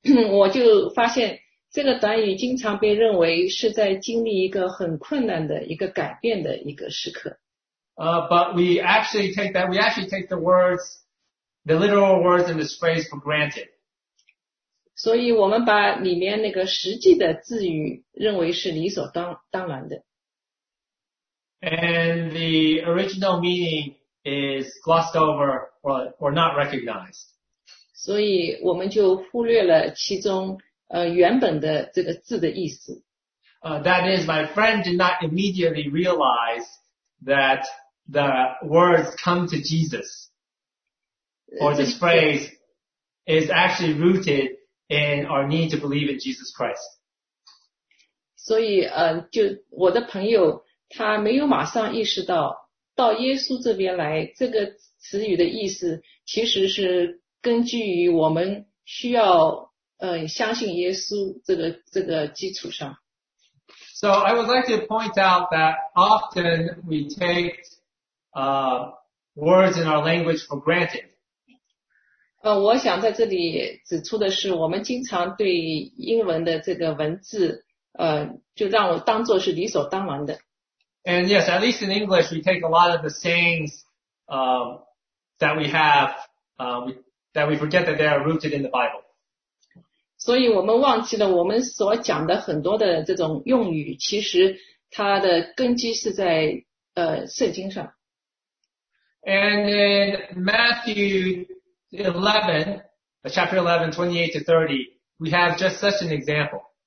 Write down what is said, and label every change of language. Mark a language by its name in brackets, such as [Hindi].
[Chinese] 我就发现这个短语经常被认为是在经历一个很困难的一个改变的一个时刻。 [English] But we actually take that, we actually take the words, the literal words in this phrase for granted. [Chinese] 所以我们把里面那个实际的字语认为是理所 当然的。 [English] And the original meaning is glossed over or not recognized. [Chinese] 所以我们就忽略了其中原本的这个字的意思。 [English] That is, my friend did not immediately realize that the words come to Jesus, or this phrase is actually rooted in our need to believe in Jesus Christ. [Chinese] 所以就我的朋友他没有马上意识到到耶稣这边来这个词语的意思其实是根据于我们需要相信耶稣这个基础上。 [English] So I would like to point out that often we take words in our language for granted. [Chinese] 我想在这里指出的是我们经常对英文的这个文字就让我当作是理所当然的。 [English] And yes, at least in English, we take a lot of the sayings that we have, that we forget that they are rooted in the Bible. [Chinese] 所以我们忘记了我们所讲的很多的这种用语，其实它的根基是在圣经上。 [English] And in Matthew 11, chapter 11, 28 to 30, we have just such an example.